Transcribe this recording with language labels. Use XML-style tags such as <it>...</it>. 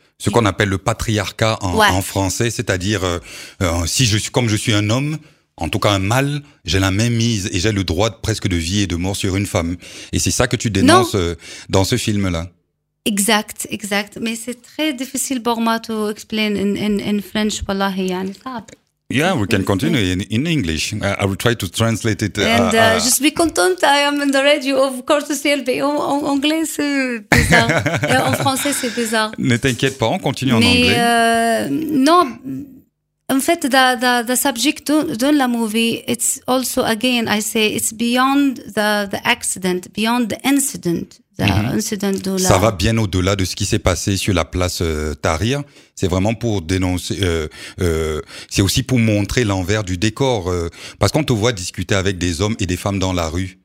<fr>Ce qu'on appelle le patriarcat en français, c'est-à-dire si je suis comme je suis un homme, en tout cas un mâle, j'ai la même mise et j'ai le droit presque de vie et de mort sur une femme. Et c'est ça que tu dénonces dans ce film-là. Exact, exact. Mais c'est très difficile pour moi</fr> <en>to explain in French,</en> <ar>wallahi, yani sab.</ar> <en>Yeah, we can continue in English. I will try to translate it. And just be content, I am in the radio, of course, to CLB.</en> <fr>En anglais, c'est bizarre. Et en français, c'est bizarre. Ne t'inquiète pas, on continue en anglais. Non, en fait,</fr> <en>the subject de la movie, it's also, again, I say, it's beyond the accident, beyond the incident.</en> <fr>Ça va bien au-delà de ce qui s'est passé sur la place Tahrir. C'est vraiment pour dénoncer. C'est aussi pour montrer l'envers du décor, parce qu'on te voit discuter avec des hommes et des femmes dans la rue.</fr>